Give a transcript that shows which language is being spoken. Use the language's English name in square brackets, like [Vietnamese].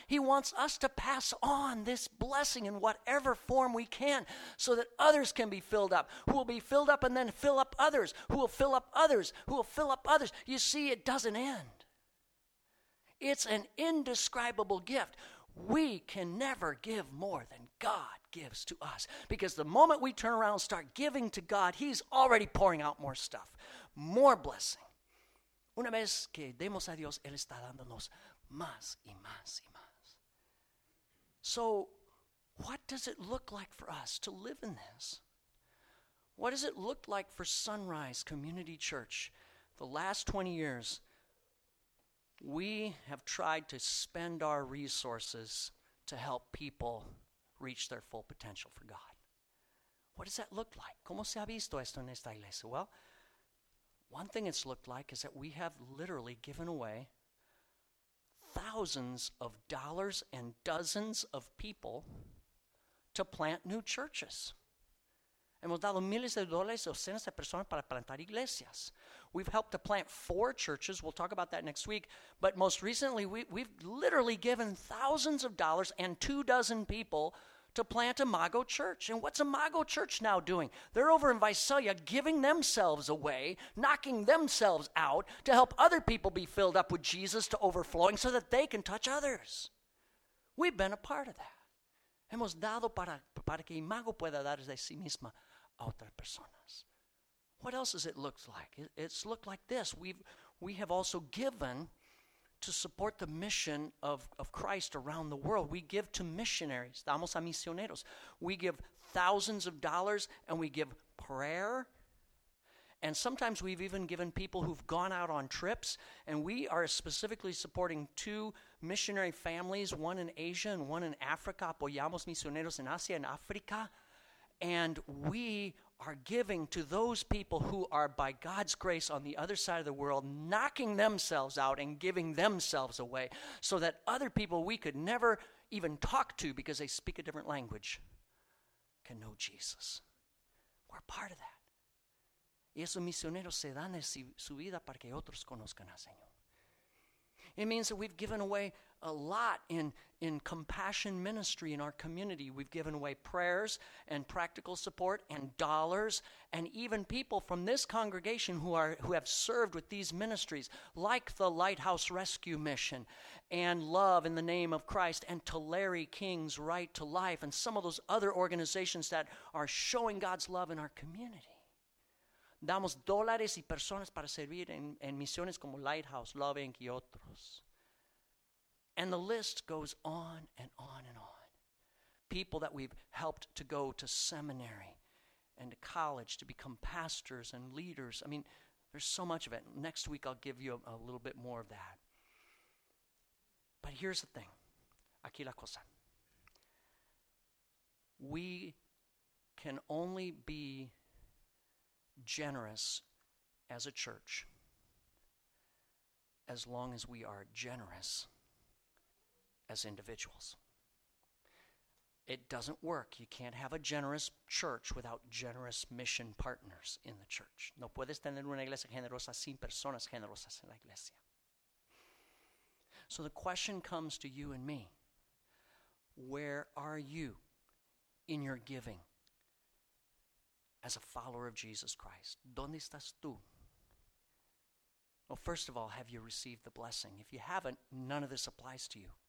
[English] He wants us to pass on this blessing in whatever form we can, so that others can be filled up, who will be filled up and then fill up others, who will fill up others, who will fill up others. You see, it doesn't end. It's an indescribable gift. We can never give more than God gives to us. Because the moment we turn around and start giving to God, he's already pouring out more stuff, more blessing. [Spanish] Una vez que demos a Dios, él está dándonos más y más y más. [English] So, what does it look like for us to live in this? What does it look like for Sunrise Community Church the last 20 years? We have tried to spend our resources to help people reach their full potential for God. What does that look like? [Spanish] ¿Cómo se ha visto esto en esta iglesia? [English] Well, one thing it's looked like is that we have literally given away thousands of dollars and dozens of people to plant new churches. [Spanish] Hemos dado miles de dólares, docenas de personas para plantar iglesias. [English] We've helped to plant 4 churches. We'll talk about that next week. But most recently, we've literally given thousands of dollars and 24 people to plant Imago Church. And what's Imago Church now doing? They're over in Visalia giving themselves away, knocking themselves out to help other people be filled up with Jesus to overflowing so that they can touch others. We've been a part of that. [Spanish] Hemos dado para que Imago pueda dar de sí misma a otras personas. [English] What else does it look like? It's looked like this. We have also given to support the mission of Christ around the world. We give to missionaries. [Spanish] Damos a misioneros. [English] We give thousands of dollars, and we give prayer. And sometimes we've even given people who've gone out on trips, and we are specifically supporting 2 missionary families, one in Asia and one in Africa. [Spanish] Apoyamos misioneros en Asia y África. [English] And we are giving to those people who are, by God's grace, on the other side of the world, knocking themselves out and giving themselves away so that other people we could never even talk to because they speak a different language can know Jesus. We're part of that. [Spanish] Y esos misioneros se dan su vida para que otros conozcan al Señor. [English] It means that we've given away a lot in compassion ministry in our community. We've given away prayers and practical support and dollars, and even people from this congregation who have served with these ministries, like the Lighthouse Rescue Mission and Love in the Name of Christ and Tulare King's Right to Life and some of those other organizations that are showing God's love in our community. [Spanish] Damos dólares y personas para servir en misiones como Lighthouse, Love Inc. y otros. [English] And the list goes on and on and on. People that we've helped to go to seminary and to college to become pastors and leaders. I mean, there's so much of it. Next week I'll give you a little bit more of that. But here's the thing. [Spanish] Aquí la cosa. [English] We can only be generous as a church as long as we are generous as individuals. It doesn't work. You can't have a generous church without generous mission partners in the church. [Spanish] No puedes tener una iglesia generosa sin personas generosas en la iglesia. [English] So the question comes to you and me. Where are you in your giving as a follower of Jesus Christ? [Spanish] ¿Dónde estás tú? [English] Well, first of all, have you received the blessing? If you haven't, none of this applies to you.